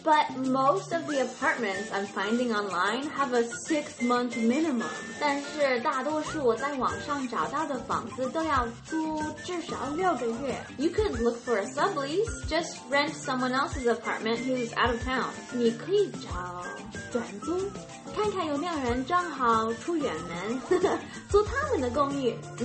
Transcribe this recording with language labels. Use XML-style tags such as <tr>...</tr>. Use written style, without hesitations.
<en>But most of the apartments I'm finding online have a 6 month minimum.</en> <zh>但是大多数我在网上找到的房子都要租至少六个月。</zh> <en>You could look for a sublease, just rent someone else's apartment who's out of town.</en> <zh>你可以找转租，看看有没有人正好出远门，租他们的公寓。</zh>